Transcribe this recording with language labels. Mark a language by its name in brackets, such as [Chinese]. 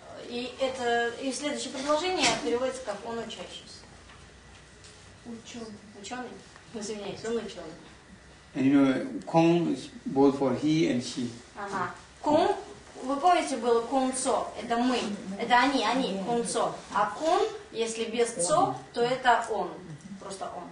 [Russian] И следующее предложение переводится как он учащийся. Ученый. Извиняюсь, он ученый. [English] And you know, Кон is both for he and she. [Tibetan] Кон. [Russian] Вы помните, было кунцо, это мы, это они, кунцо. А кун, если без цо, то это он, просто он.